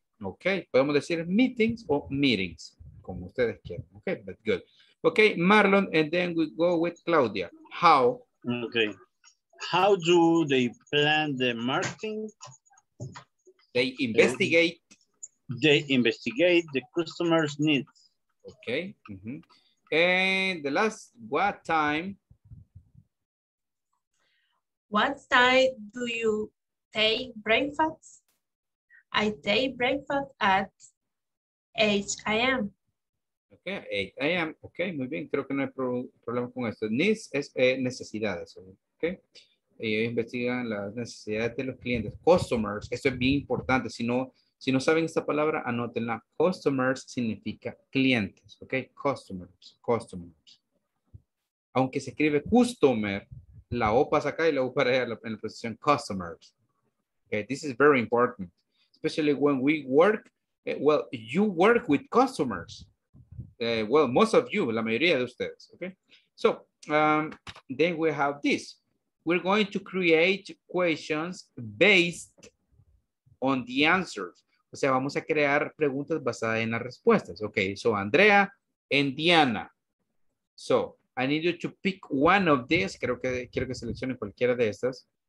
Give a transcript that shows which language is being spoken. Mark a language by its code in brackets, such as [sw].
[es] Ok, podemos decir meetings o meetings, como ustedes quieran. [en] Ok, but good. Ok, Marlon, and then we go with Claudia. How? Ok. How do they plan the marketing? They investigate. They investigate the customer's needs. Ok. Mm-hmm. And the last, what time? What time do you take breakfast? I take breakfast at 8 a.m. [es] Okay, 8 a.m. Okay, muy bien. Creo que no hay problema con esto. Needs es necesidades. Okay. Ellos investigan las necesidades de los clientes. Customers. Esto es bien importante. Si no saben esta palabra, anótenla. Customers significa clientes. Okay. Customers. Customers. Aunque se escribe customer, la O pasa acá y la U para allá en la posición customers. [en] Okay. This is very important. Especially when we work, well, you work with customers. Well, most of you, la mayoría de ustedes, okay? So, then we have this. We're going to create questions based on the answers. [es] O sea, vamos a crear preguntas basadas en las respuestas. [en] Okay, so Andrea and Diana. So, I need you to pick one of these. [es] Creo que quiero que seleccione cualquiera de estas.